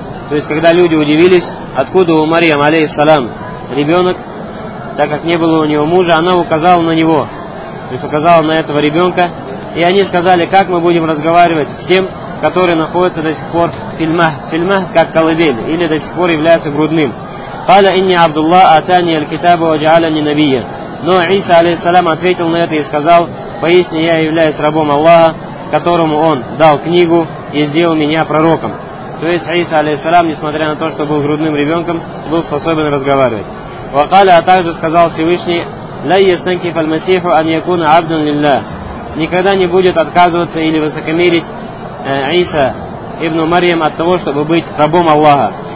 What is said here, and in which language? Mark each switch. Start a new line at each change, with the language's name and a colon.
Russian: То есть, когда люди удивились, откуда у Марьям, алейхиссалям, ребенок, так как не было у него мужа, она указала на него, то есть указала на этого ребенка, и они сказали, как мы будем разговаривать с тем, который находится до сих пор в фильмах, как колыбель, или до сих пор является грудным.
Arabic: قال إني عبد الله أتاني الكتاب وجعلني نبيا.
Russian: Но Иса алейхиссалям ответил на это и сказал: поистине я являюсь рабом Аллаха, которому он дал книгу и сделал меня пророком. То есть Иса алейхиссалям, несмотря на то, что был грудным ребенком, был способен разговаривать.
Arabic: وقال,
Russian: а также сказал Всевышний:
Arabic: لا يستنكف المسيح أن يكون عبدا لله.
Russian: Никогда не будет отказываться или высокомерить Иса ибн Марьям от того, чтобы быть рабом Аллаха.